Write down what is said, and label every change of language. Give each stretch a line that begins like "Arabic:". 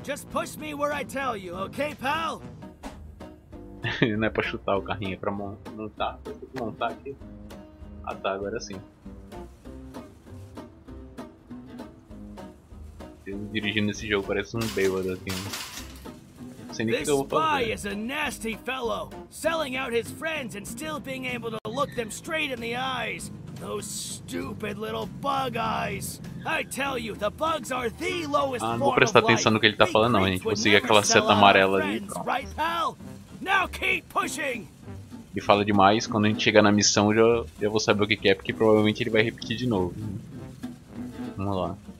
English: Just push me where I tell you, okay, pal?
Portuguese: Não é pra chutar o carrinho, é pra montar. Tem que montar aqui. Ah tá, agora sim. Dirigindo esse jogo parece um bêbado aqui. Não sei nem o que eu vou fazer.
English: This spy is a nasty fellow, selling out his friends and still being able to look them straight in the eyes. Those stupid little bug eyes. I tell you, the bugs are the lowest form of life.
Portuguese: Não vou prestar atenção no que ele tá falando, não. A gente conseguiu aquela seta amarela ali.
English: Now keep pushing.
Portuguese: Ele fala demais. Quando a gente chegar na missão, eu vou saber o que é, porque provavelmente ele vai repetir de novo. Vamos lá.